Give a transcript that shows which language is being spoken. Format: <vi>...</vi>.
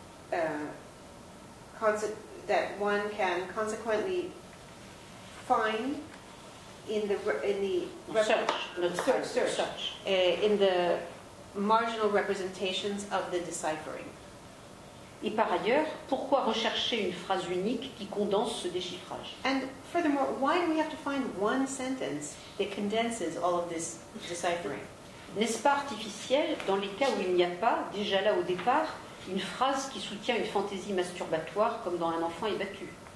<en>That one can consequently find in the marginal representations of the deciphering.</en> <fr>Et par ailleurs, pourquoi rechercher une phrase unique qui condense ce déchiffrage?</fr> <en>And furthermore, why do we have to find one sentence that condenses all of this deciphering?</en> <fr>N'est-ce pas artificiel dans les cas où il n'y a pas déjà là au départ une phrase qui soutient une fantaisie masturbatoire comme dans Un enfant est battu?</fr>